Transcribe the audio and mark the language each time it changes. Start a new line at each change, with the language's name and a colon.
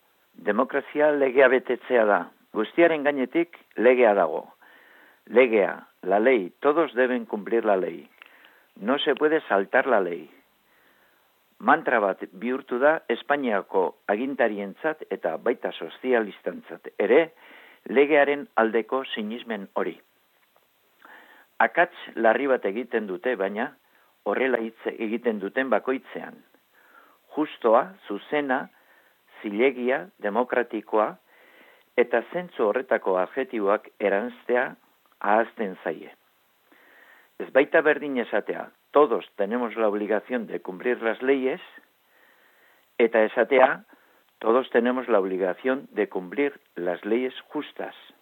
Basque: Demokrazia legea betetzea da. Guztiaren gainetik legea dago. Legea,
Spanish: la ley, todos deben cumplir la ley. No se puede saltar la ley.
Basque: Mantra bat bihurtu da Espainiako agintarientzat eta baita sozialistantzat ere legearen aldeko sinismen hori. Akats larri bat egiten dute, baina horrela hitz egiten duten bakoitzean. Justoa, zuzena, zilegia, demokratikoa eta zentzu horretako adjetiboak eranztea ahazten zaie. Ez baita berdin esatea,
Spanish: todos tenemos la obligación de cumplir las leyes,
Basque: eta esatea,
Spanish: todos tenemos la obligación de cumplir las leyes justas.